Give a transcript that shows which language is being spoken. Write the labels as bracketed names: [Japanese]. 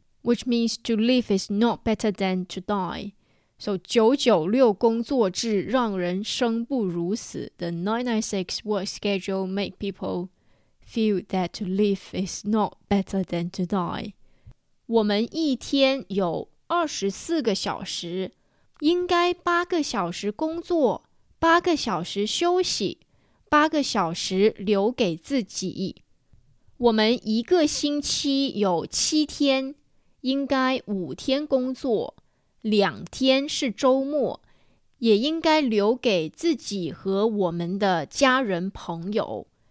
[English] Which means to live is not better than to die. So [Chinese] 996工作制让人生不如死。 [English] The 996 work schedule make people feel that to live is not better than to die. [Chinese] 我们一天有24个小时，应该8个小时工作，8个小时休息，8个小时留给自己。我们一个星期有7天，应该5天工作，2天是周末，也应该留给自己和我们的家人朋友。